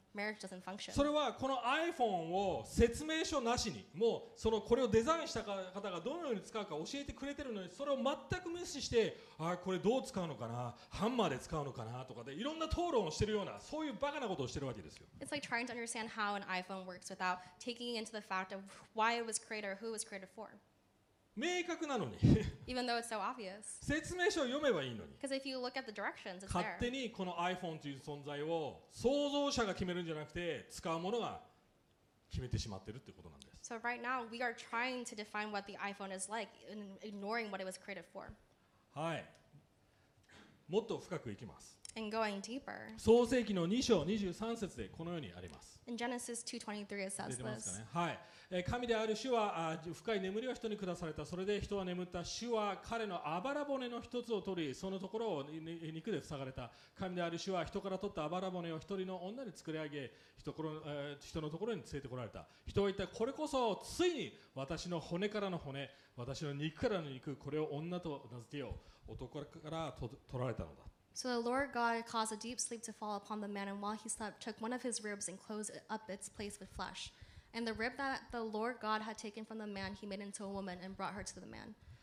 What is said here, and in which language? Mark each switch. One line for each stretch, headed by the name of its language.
English: marriage doesn't function.
Japanese: それはこの iPhone を説明書なしに、もうそのこれをデザインした方がどのように使うか教えてくれてるのに、それを全く無視して、あ、これどう使うのかな、ハンマーで使うのかなとかで、いろんな討論をしてるような、そういうバカなことをしてるわけですよ。
English: It's like trying to understand how an iPhone works without taking into the fact of why it was created or who it was created for.
Japanese: 明確なのに。
English: Even though it's so obvious.
Japanese: 説明書を読めばいいのに。
English: Because if you look at the directions, it's there.
Japanese: 勝手にこの iPhone という存在を創造者が決めるんじゃなくて、使うものが決めてしまってるってことなんです。
English: So right now we are trying to define what the iPhone is like, ignoring what it was created for.
Japanese: はい。もっと深くいきます。
English: And going deeper.
Japanese: 創世記の2章23節でこのようにあります。
English: In Genesis 2:23 it says this.
Japanese: 出てますかね。はい。神である主は深い眠りを人に下された。それで人は眠った。主は彼のあばら骨の一つを取り、そのところを肉で塞がれた。神である主は人から取ったあばら骨を一人の女に作り上げ、人のところに連れてこられた。人は言った、これこそついに私の骨からの骨、私の肉からの肉、これを女と名付けよう。男から取られたのだ。
English: So the Lord God caused a deep sleep to fall upon the man, and while he slept, took one of his ribs and closed up its place with flesh. And the rib that the Lord God had taken from the man, he made into a woman and brought her to the man.